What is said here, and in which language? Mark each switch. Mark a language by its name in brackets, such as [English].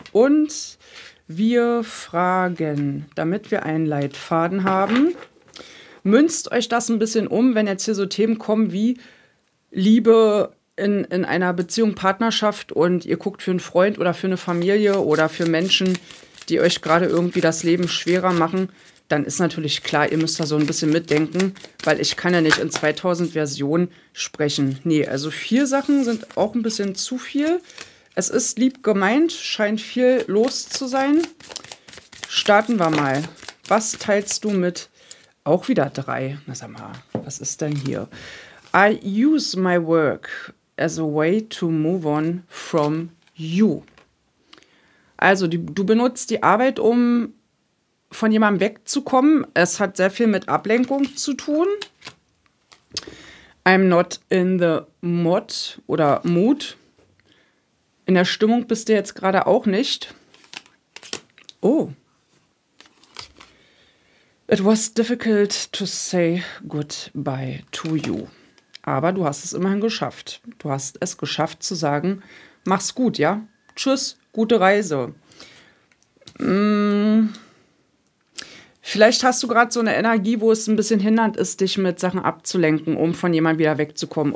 [German] Und wir fragen, damit wir einen Leitfaden haben, münzt euch das ein bisschen um, wenn jetzt hier so Themen kommen wie Liebe in einer Beziehung, Partnerschaft und ihr guckt für einen Freund oder für eine Familie oder für Menschen, die euch gerade irgendwie das Leben schwerer machen, dann ist natürlich klar, ihr müsst da so ein bisschen mitdenken, weil ich kann ja nicht in 2000 Versionen sprechen. Nee, also 4 Sachen sind auch ein bisschen zu viel. Es ist lieb gemeint, scheint viel los zu sein. Starten wir mal. Was teilst du mit? Auch wieder 3. Na sag mal, was ist denn hier? [English] I use my work as a way to move on from you. [German] Also, du benutzt die Arbeit, um von jemandem wegzukommen. Es hat sehr viel mit Ablenkung zu tun. [English] I'm not in the mood [German] oder mood. In der Stimmung bist du jetzt gerade auch nicht. Oh. [English] It was difficult to say goodbye to you. [German] Aber du hast es immerhin geschafft. Du hast es geschafft zu sagen, mach's gut, ja? Tschüss, gute Reise. Vielleicht hast du gerade so eine Energie, wo es ein bisschen hindernd ist, dich mit Sachen abzulenken, um von jemandem wieder wegzukommen.